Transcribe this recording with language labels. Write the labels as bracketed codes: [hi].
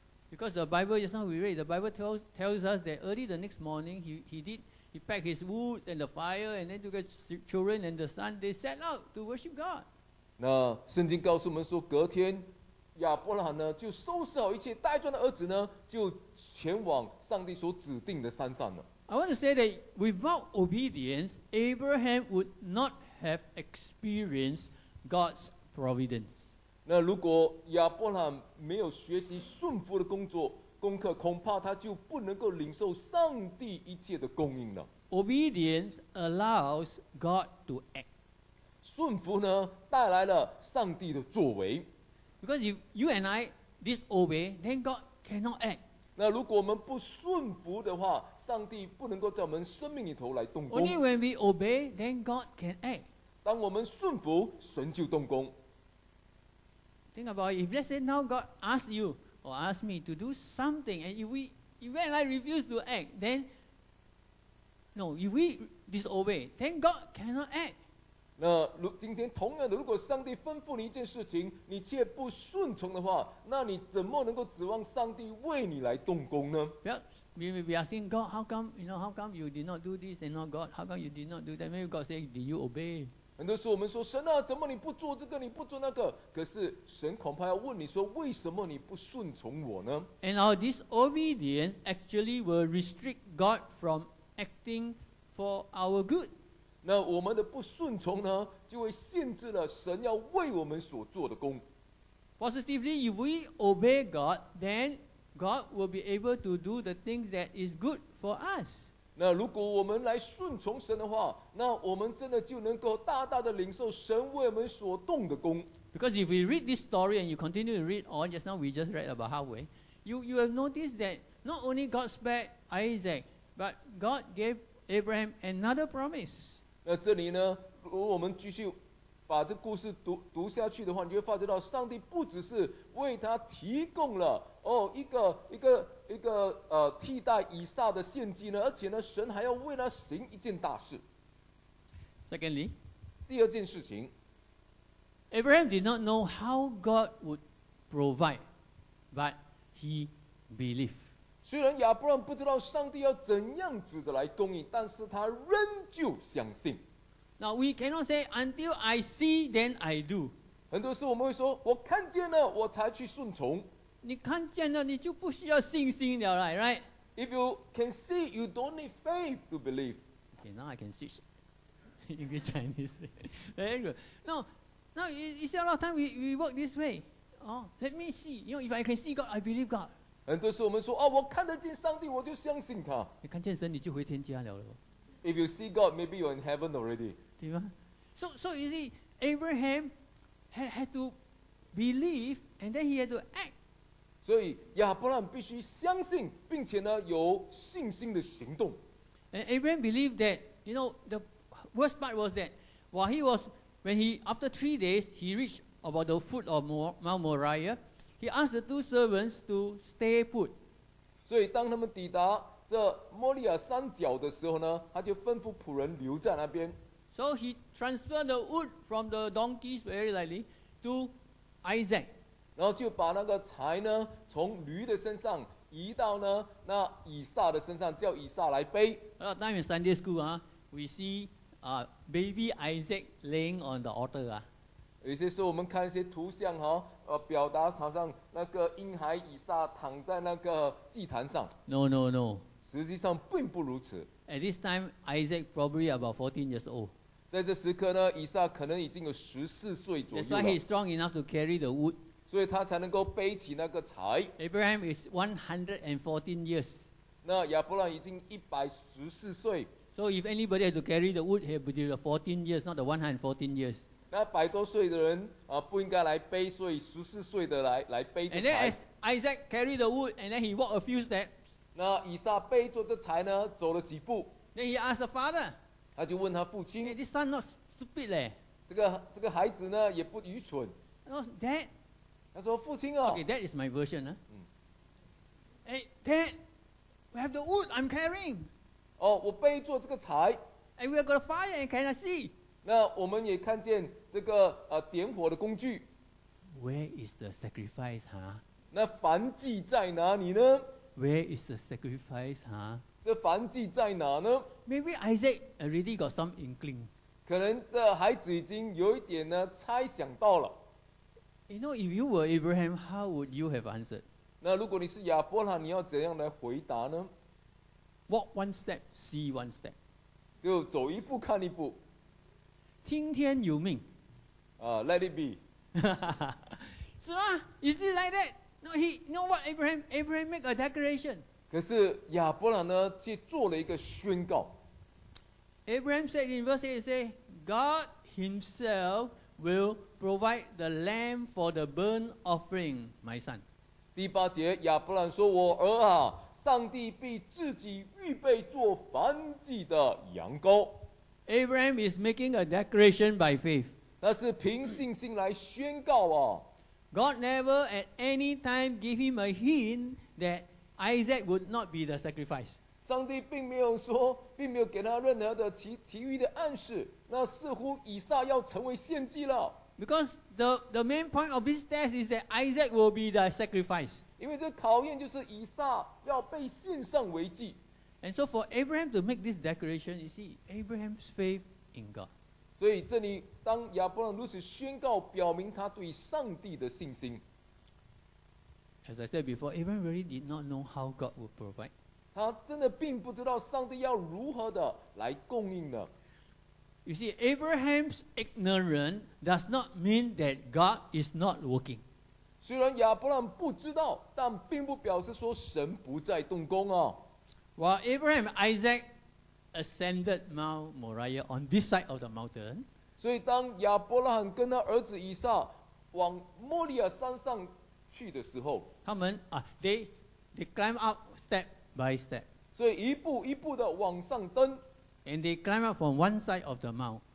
[en] Because the Bible, just now we read, the Bible tells us that early the next morning, he packed his woods and the fire, and then to get children and the son, they set out to worship God. [zh] 那圣经告诉我们说，隔天亚伯兰呢就收拾好一切，带着他的儿子呢就前往上帝所指定的山上了。 [en] I want to say that without obedience, Abraham would not have experienced God's providence. [zh] 那如果亚伯兰没有学习顺服的工作功课，恐怕他就不能够领受上帝一切的供应了。 [en] Obedience allows God to act. [zh] 顺服呢，带来了上帝的作为。 [en] Because if you and I disobey, then God cannot act. [zh] 那如果我们不顺服的话，上帝不能够在我们生命里头来动工。 [en] Only when we obey, then God can act. [zh] 当我们顺服，神就动工。 [en] Think about it. If let's say now God asks you or asks me to do something, and if I refuse to act, then no. If we disobey, then God cannot act. [zh] 那如今天同样的，如果上帝吩咐你一件事情，你却不顺从的话，那你怎么能够指望上帝为你来动工呢？ [en] Maybe we are saying, God, how come you know? How come you did not do this? And not God, how come you did not do that? Maybe God said, did you obey? [zh] 很多时候我们说神啊，怎么你不做这个，你不做那个？可是神恐怕要问你说，为什么你不顺从我呢 [en] ？And our disobedience actually will restrict God from acting for our good. [zh] 那我们的不顺从呢，就会限制了神要为我们所做的工。 [en] Positively, if we obey God, then God will be able to do the things that is good for us. [zh] 那如果我们来顺从神的话，那我们真的就能够大大的领受神为我们所动的工。 [en] Because if we read this story and you continue to read on, just now we just read about halfway, you have noticed that not only God spared Isaac, but God gave Abraham another promise. [zh] 那这里呢，如果我们继续把这故事 读下去的话，你就会发觉到上帝不只是为他提供了哦一个替代以撒的献祭呢，而且呢，神还要为他行一件大事。 [en] Secondly, [zh] 第二件事情 [en] ，Abraham did not know how God would provide, but he believed. [zh] 虽然亚伯兰不知道上帝要怎样子的来供应，但是他仍旧相信。 [en] Now we cannot say until I see, then I do. [zh] 很多时候我们会说，我看见了，我才去顺从。你看见了，你就不需要信心了 ， [en] right? If you can see, you don't need faith to believe. Okay, now I can switch English Chinese. Very good. Now it's a lot of time we work this way. Oh, let me see. You know, if I can see God, I believe God. [zh] 很多时候我们说，哦，我看得见上帝，我就相信他。你看见神，你就回天家了咯。 [en] If you see God, maybe you're in heaven already. [zh] 对吧 [en] ？So you see, Abraham had to believe, and then he had to act. [zh] 所以亚伯兰必须相信，并且呢有信心的行动。 [en] And Abraham believed that, you know, the worst part was that while he was, when he, after 3 days, he reached about the foot of Mount Moriah, he asked the two servants to stay put. [zh] 所以当他们抵达这摩利亚山脚的时候呢，他就吩咐仆人留在那边。 [en] So he transferred the wood from the donkeys very lightly to Isaac. [zh] 然后就把那个柴呢从驴的身上移到呢那以撒的身上，叫以撒来背。 [en] A time in Sunday school, we see baby Isaac laying on the altar. [zh] 有些时候我们看一些图像哈，表达好像那个婴孩以撒躺在那个祭坛上。 [en] No. [zh] 实际上并不如此。 [en] At this time, Isaac probably about 14 years old. [zh] 在这时刻呢，以撒可能已经有14岁左右了。 [en] That's why he's strong enough to carry the wood. [zh] 所以他才能够背起那个柴。 [en] Abraham is 114 years. [zh] 那亚伯兰已经114岁。 [en] So if anybody had to carry the wood, he would be the 14 years, not the 114 years. [zh] 那百多岁的人啊，不应该来背，所以14岁的来背着柴。 [en] And then as Isaac carried the wood, and then he walked a few steps. [zh] 那以撒背着这柴呢，走了几步。 [en] Then he asked the father. [zh] 他就问他父亲。 [en] Hey, this son not stupid 嘞。 [zh] 这个孩子呢也不愚蠢。 [en] No, dad. [zh] 他说父亲哦。 [en] Okay, that is my version 呢、啊。 Hey, dad, we have the wood I'm carrying. [zh] 哦，我背做这个柴。 [en] And we have got a fire and can I see? [zh] 那我们也看见这个点火的工具。 [en] Where is the sacrifice, huh? [zh] 那燔祭在哪里呢？ [en] Where is the sacrifice, huh? [zh] 这燔祭在哪呢？ [en] Maybe Isaac already got some inkling. [zh] 可能这孩子已经有一点呢猜想到了。 [en] You know, if you were Abraham, how would you have answered? [zh] 那如果你是亚伯拉，你要怎样来回答呢？ [en] Walk one step, see one step. [zh] 就走一步看一步。听天由命。 [en] Let it be. [zh] 是吗？ [en] Is it like that? No, he, you know what, Abraham? Abraham make a declaration. [zh] 可是亚伯拉呢，却做了一个宣告。 [en] Abraham said in verse 8, he said, God himself will provide the lamb for the burnt offering, my son. [zh] 第八节，亚伯兰说，我儿啊，上帝必自己预备做燔祭的羊羔。 [en] Abraham is making a declaration by faith. [zh] 那是凭信心来宣告啊。 [en] God never at any time gave him a hint that Isaac would not be the sacrifice. [zh] 上帝并没有说，并没有给他任何的其余的暗示，那似乎以撒要成为献祭了。 [en] Because the main point of this test is that Isaac will be the sacrifice. [zh] 因为这考验就是以撒要被献上为祭。 [en] And so for Abraham to make this declaration, you see, Abraham's faith in God. [zh] 所以这里当亚伯兰如此宣告，表明他对上帝的信心。 [en] As I said before, Abraham really did not know how God would provide. [zh] 他真的并不知道上帝要如何的来供应呢。 [en] You see, Abraham's ignorance does not mean that God is not working. [zh] 虽然亚伯兰不知道，但并不表示说神不在动工啊。 [en] While Abraham and Isaac ascended Mount Moriah on this side of the mountain, [zh] 所以当亚伯拉罕跟他儿子以撒往摩利亚山上去的时候，他们啊、 [en] they climb up step by step, [zh] 所以一步一步的往上登。 [en] And they climb up from one side of the mount,